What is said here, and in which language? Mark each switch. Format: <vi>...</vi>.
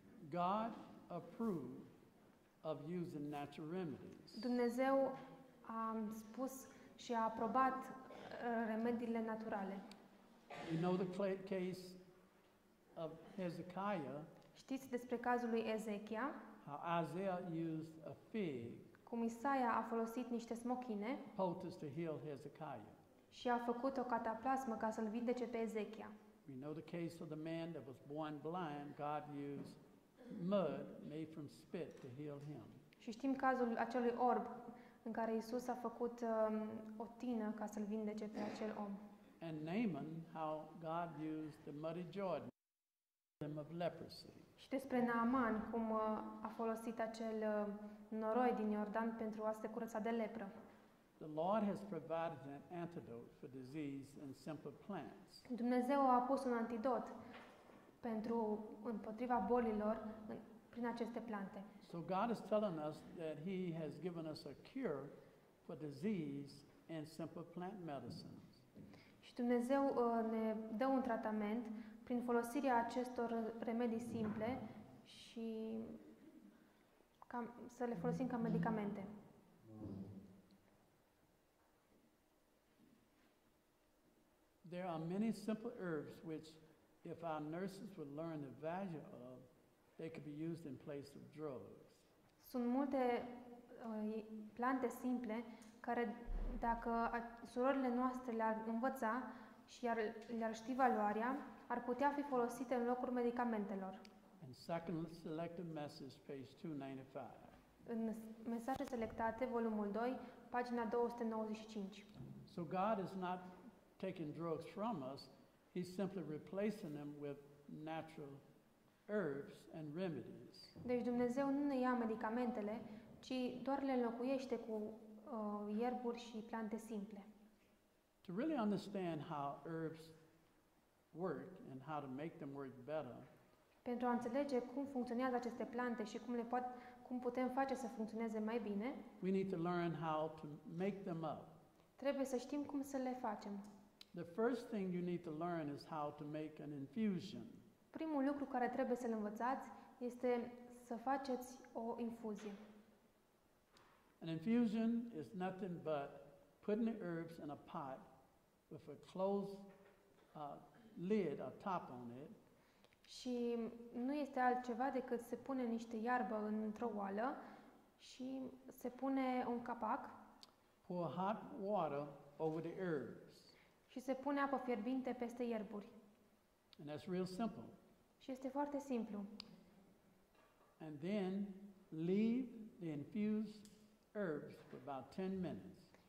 <en>God approved of using natural remedies.</en> <ro>Dumnezeu a spus și a aprobat remediile naturale.</ro> <en>You know the case of Hezekiah.</en> <ro>Știți despre cazul lui Ezechia?</ro> <en>How Isaiah used a fig.</en> <ro>Cum Isaia a folosit niște smochine.</ro> <en>Poultice to heal Hezekiah.</en> <ro>Și a făcut o cataplasmă ca să-l vindece pe Ezechia.</ro> <en>We know the case of the man that was born blind. God used mud made from spit to heal him.</en> <ro>Și știm cazul acelui orb în care Isus a făcut o tină ca să-l vindece pe acel om.</ro> <en>And Naaman, how God used the muddy Jordan of leprosy.</en> <ro>Și despre Naaman, cum a folosit acel noroi din Iordan pentru a se curăța de lepră.</ro> <en>The Lord has provided an antidote for disease in simple plants.</en> <ro>Dumnezeu a pus un antidot pentru împotriva bolilor prin aceste plante.</ro> <en>So God is telling us that he has given us a cure for disease in simple plant medicines.</en> <ro>Și Dumnezeu ne dă un tratament prin folosirea acestor remedii simple și să le folosim ca medicamente.</ro> <en>There are many simple herbs which if our nurses would learn the value of, they could be used in place of drugs.</en> <ro>Sunt multe plante simple care dacă surorile noastre le-ar învăța și le-ar ști valoarea, ar putea fi folosite în locul medicamentelor.</ro> <en>In second selected message, page 295.</en> <ro>În mesaje selectate, volumul 2, pagina 295.</ro> <en>So God is not taking drugs from us, he's simply replacing them with natural herbs and remedies.</en> <ro>Deci Dumnezeu nu ne ia medicamentele, ci doar le înlocuiește cu ierburi și plante simple.</ro> <en>To really understand how herbs work and how to make them work better.</en> <ro>Pentru a înțelege cum funcționează aceste plante și cum putem face să funcționeze mai bine.</ro> <en>We need to learn how to make them up.</en> <ro>Trebuie să știm cum să le facem.</ro> <en>The first thing you need to learn is how to make an infusion.</en> <ro>Primul lucru care trebuie să-l învățați este să faceți o infuzie.</ro> <en>An infusion is nothing but putting the herbs in a pot with a closed lid or top on it.</en> <ro>Și nu este altceva decât se pune niște iarbă într-o oală și se pune un capac.</ro> <en>Pour hot water over the herbs.</en> <ro>Și se pune apă fierbinte peste ierburi.</ro> <en>And that's real simple.</en> <ro>Și este foarte simplu.</ro> <en>And then leave the infused herbs for about 10 minutes.</en>